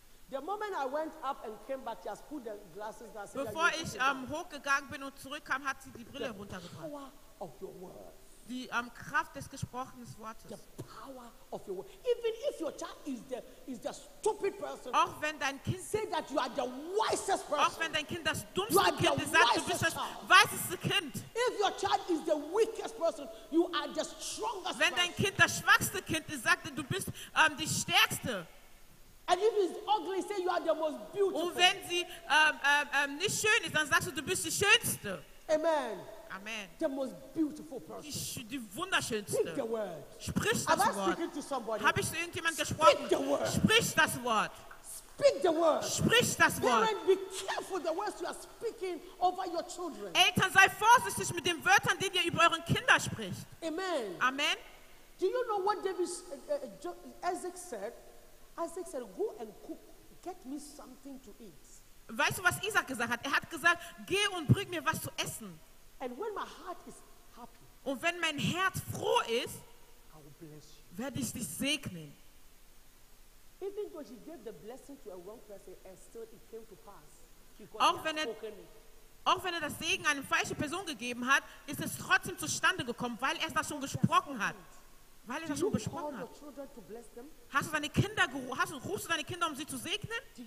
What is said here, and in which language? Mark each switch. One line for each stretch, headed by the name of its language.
English: The moment I went up and came back, just put the glasses down.
German: Bevor ich hochgegangen bin und zurückkam, hat sie die Brille
English: the
German: runtergebracht.
English: Power of your word.
German: Die Kraft des gesprochenen Wortes.
English: The power of your word. Even if your child is the stupid person.
German: Auch wenn dein Kind
English: say that you are the wisest person.
German: Auch wenn dein Kind das dummste Kind ist, sagt, du bist das weiseste Kind.
English: If your child is the weakest person, you are the strongest.
German: Wenn dein Kind das schwächste Kind ist, sagt, du bist die stärkste.
English: And if it's ugly, say you are the most beautiful.
German: Und wenn sie nicht schön ist, dann sagst du bist die schönste. Amen. Amen.
English: The most beautiful person.
German: Die wunderschönste.
English: Speak the word.
German: Sprich das Wort.
English: Am I speaking to somebody?
German: Habe ich zu irgendjemand gesprochen?
English: Speak the word.
German: Sprich das Wort.
English: Speak the word.
German: Sprich das Wort.
English: Parents, be careful the words you are speaking over your children.
German: Eltern, sei vorsichtig mit den Wörtern, die ihr über euren Kinder spricht. Amen. Amen.
English: Do you know what David Isaac said? Isaac said, "Go and cook. Get me something to eat."
German: Weißt du, was Isaac gesagt hat? Er hat gesagt, geh und bring mir was zu essen.
English: And when my heart is happy,
German: und wenn mein Herz froh ist,
English: I will bless you.
German: Werde ich dich segnen.
English: Even though he gave the blessing to a wrong person, and still it came to pass.
German: Auch wenn er das Segen einer falschen Person gegeben hat, ist es trotzdem zustande gekommen, weil er das schon gesprochen hat. Weil er das schon gesprochen hat. Hast du deine Kinder rufst du deine Kinder, um sie zu segnen?